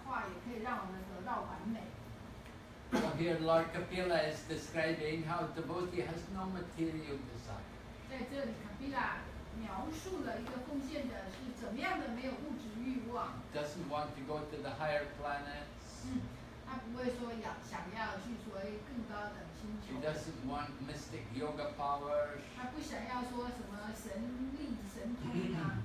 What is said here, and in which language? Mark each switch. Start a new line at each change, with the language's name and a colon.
Chinese: 又说，即使我们对任何一项有一点点吸引的话，也可以让我们得到完美。So
English: here, Lord Kapila is describing how devotee has no material desire.
Chinese: 在这里，卡比拉描述了一个奉献者是怎么样的没有物质欲望。
English: Doesn't want to go to the higher planets.
Chinese: 他不会说想要去所谓更高的星球。
English: He doesn't want mystic yoga powers.
Chinese: 他不想要说什么神力神通啊。